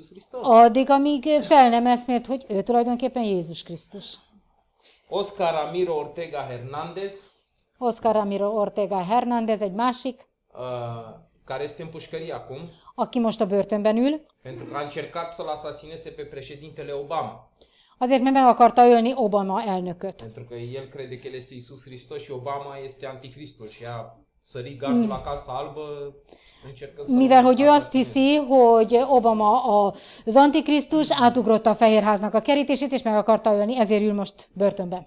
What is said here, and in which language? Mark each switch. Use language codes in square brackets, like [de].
[hu] Addig, amíg fel nem eszmélt, hogy ő tulajdonképpen Jézus Krisztus. Oscar Ramiro Ortega Hernández. Oscar Ramiro Ortega Hernández egy másik. [ro] Care este în pușcărie acum? [hu] Aki most a börtönben ül. [ro] Pentru că a încercat să-l asasineze pe președintele Obama. [hu] Azért, mert meg akarta ölni Obama elnököt. [ro] Pentru că el crede că el este Iisus Hristos și Obama este anticristul și a sărit gardul la Casa Albă încercând să... [hu] Mivel, hogy ő azt hiszi, hogy Obama az antikrisztus, átugrott a Fehérháznak a kerítését, és meg akarta ölni, ezért ül most börtönben.